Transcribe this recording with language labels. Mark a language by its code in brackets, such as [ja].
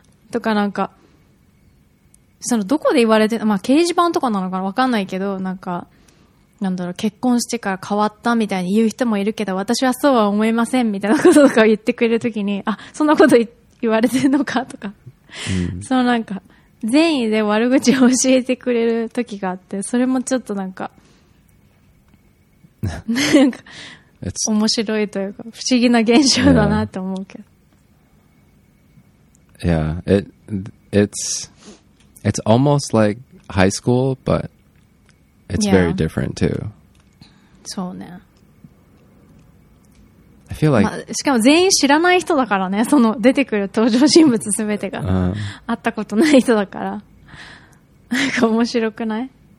[ja] とか、なんかそのどこで言われて、まあ掲示板とかなのかな、わかんないけど、なんか、なんだろう、結婚してから変わったみたいに言う人もいるけど、私はそうは思いませんみたいなこととかを言ってくれるときに、あ、そんなこと言われてるのかとか、そのなんか、善意で悪口を教えてくれるときがあって、それもちょっとなんか、なんか、面白いというか、不思議な現象だなと思うけど。 [en] Yeah, It's almost like high school, but it's very different too. [ja] そうね。 [en] I feel like、 [ja] ま、しかも全員知らない人だからね、その出てくる登場人物すべてが、会ったことない人だから、なんか面白くない？